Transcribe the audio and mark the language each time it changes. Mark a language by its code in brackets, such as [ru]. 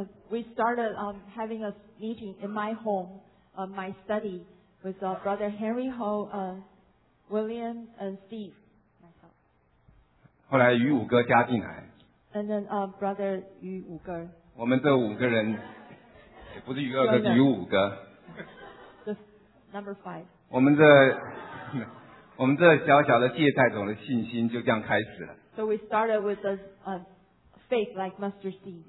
[en] We started having a meeting in my home, my study, with brother Henry Ho, William and Steve, myself. [zh] 后来于五哥加进来。 [en] And then brother 于五哥。 [zh] 我们这五个人，不是于二哥，于五哥。 [en] The number five. [zh] 我们这小小的芥菜种的信心就这样开始了。 [en] So we started with a faith like mustard seed.